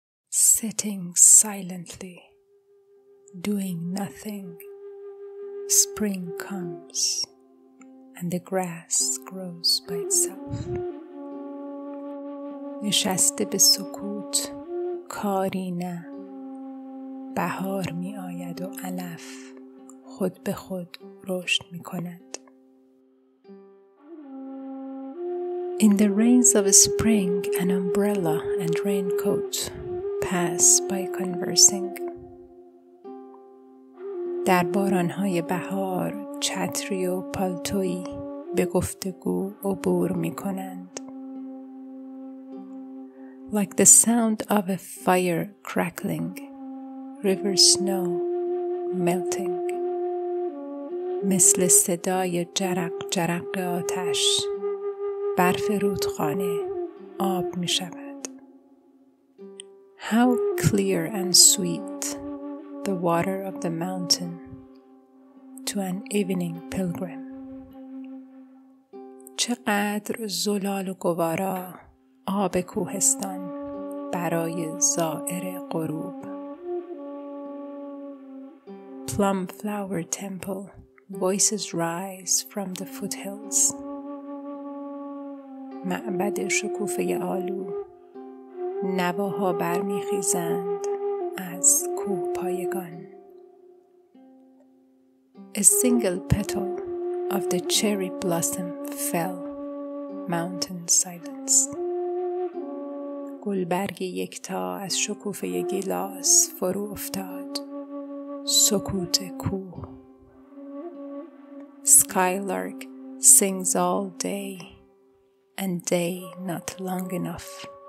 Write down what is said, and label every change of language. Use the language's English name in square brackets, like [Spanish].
[English] sitting silently, doing nothing, spring comes and the grass grows by itself. [Persian] نشسته به سکوت کاری نه، بهار می آید و علف خود به خود رشد می کند. [English] In the rains of spring, an umbrella and raincoat pass by conversing. [Persian] در بارانهای بهار چتری و پالتویی به گفتگو عبور می کنند. [English] Like the sound of a fire crackling, river snow melting. [Persian] مثل صدای جرق جرق آتش، برف رودخانه آب می شود. [English] How clear and sweet the water of the mountain to an evening pilgrim. [Persian] چقدر زلال و گوارا آب کوهستان برای زائر غروب. [English] Plum flower temple, voices rise from the foothills. [Persian] معبد شکوفه آلو، نواها برمیخیزند از کوه پایگان. [English] A single petal of the cherry blossom fell, mountain silence. [Persian] گلبرگ یکتا از شکوفه گیلاس فرو افتاد، سکوت کوه. [English] Skylark sings all day and day not long enough.